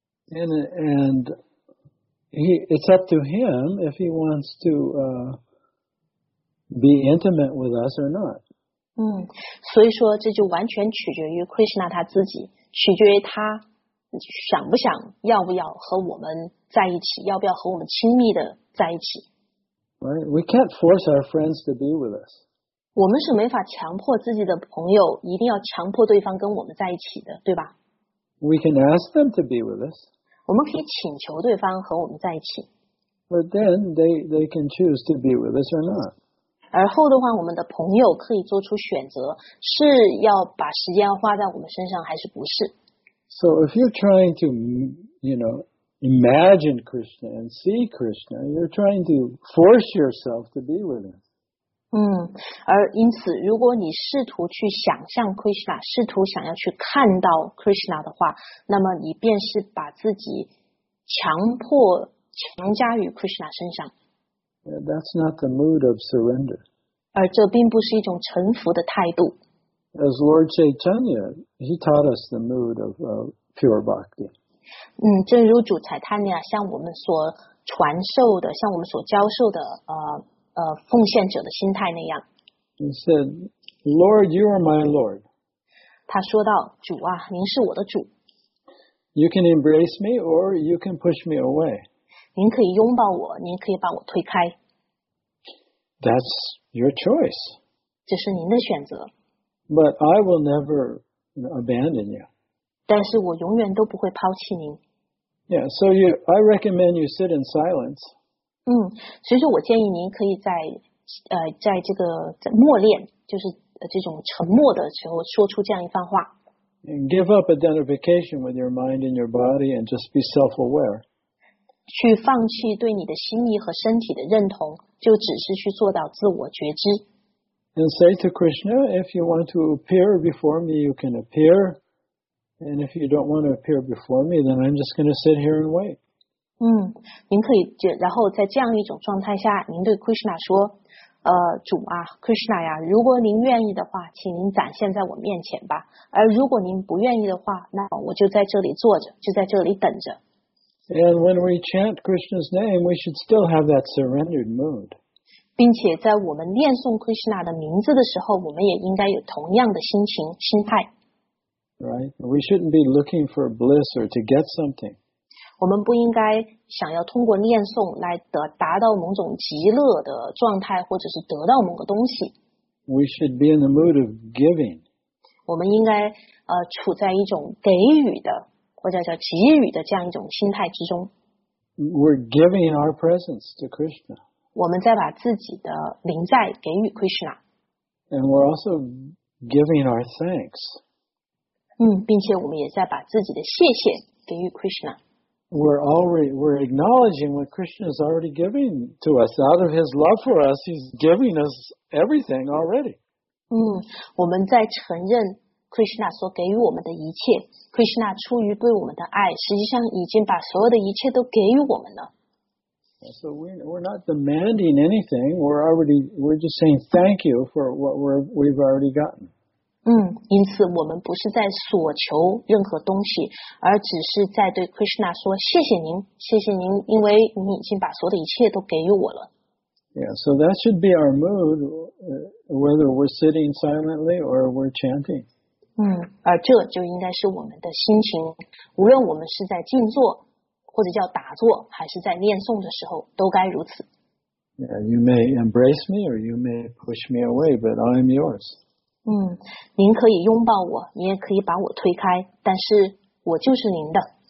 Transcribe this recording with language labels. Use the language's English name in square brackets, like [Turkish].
[English] And it's up to him if he wants to, be intimate with us or not. [Chinese] 所以说这就完全取决于 Krishna 他自己，取决于他想不想，要不要和我们在一起，要不要和我们亲密的在一起。 [English] Right? We can't force our friends to be with us. [Chinese] 我们是没法强迫自己的朋友一定要强迫对方跟我们在一起的，对吧？ [English] We can ask them to be with us. [Chinese] 我们可以请求对方和我们在一起。 [English] But then they can choose to be with us or not. [Chinese] 而后的话，我们的朋友可以做出选择，是要把时间花在我们身上，还是不是 [English] ？So if you're trying to, imagine Krishna and see Krishna, you're trying to force yourself to be with him. [Chinese] 而因此，如果你试图去想象 Krishna, 试图想要去看到 Krishna 的话，那么你便是把自己强迫强加于 Krishna 身上。 [English] Yeah, that's not the mood of surrender. [Chinese] 而这并不是一种臣服的态度。 [English] As Lord Chaitanya, he taught us the mood of pure bhakti. [Chinese] 正如主财坦尼亚向我们所传授的，向我们所教授的，奉献者的心态那样。 [English] He said, "Lord, you are my Lord." [Chinese] 他说道：“主啊，您是我的主。 [English] You can embrace me, or you can push me away. [Chinese] 您可以拥抱我，您可以把我推开。 [English] That's your choice. [Chinese] 这是您的选择。 [English] But I will never abandon you. [Chinese] 但是我永远都不会抛弃您。 [English] Yeah, so I recommend you sit in silence. [Chinese] 所以说我建议您可以在这个在默念，就是这种沉默的时候说出这样一番话。 [English] And give up identification with your mind and your body and just be self-aware. [Chinese] 去放弃对你的心意和身体的认同，就只是去做到自我觉知。 [English] and say to Krishna, if you want to appear before me, you can appear. And if you don't want to appear before me, then I'm just going to sit here and wait. [Chinese] 您可以然后在这样一种状态下您对 Krishna 说主啊 Krishna 呀如果您愿意的话请您展现在我面前吧而如果您不愿意的话那我就在这里坐着就在这里等着 [English] And when we chant Krishna's name, we should still have that surrendered mood. [Chinese] 并且在我们念诵 Krishna 的名字的时候我们也应该有同样的心情心态 [English] Right, we shouldn't be looking for bliss or to get something. [Chinese] 我们不应该想要通过念诵来达到某种极乐的状态或者是得到某个东西。 [English] We should be in the mood of giving. [Chinese] 我们应该处在一种给予的或者叫给予的这样一种心态之中。 [English] We're giving our presence to Krishna. [Chinese] 我们在把自己的临在给予 Krishna. [English] And we're also giving our thanks. [Chinese] 并且我们也在把自己的谢谢给予 Krishna. [English] We're acknowledging what Krishna is already giving to us. Out of his love for us, he's giving us everything already. [Chinese] 我们在承认 Krishna 所给予我们的一切。 Krishna 出于对我们的爱，实际上已经把所有的一切都给予我们了。 [English] So we're not demanding anything. We're just saying thank you for what we've already gotten. [Chinese] 因此我们不是在索求任何东西而只是在对 Krishna 说谢谢您谢谢您因为你已经把所有的一切都给予我了 [English] Yeah, so that should be our mood whether we're sitting silently or we're chanting [Chinese] 而这就应该是我们的心情无论我们是在静坐或者叫打坐还是在念诵的时候都该如此 [English] Yeah, you may embrace me or you may push me away but I'm yours [Chinese] 您可以拥抱我你也可以把我推开但是我就是您的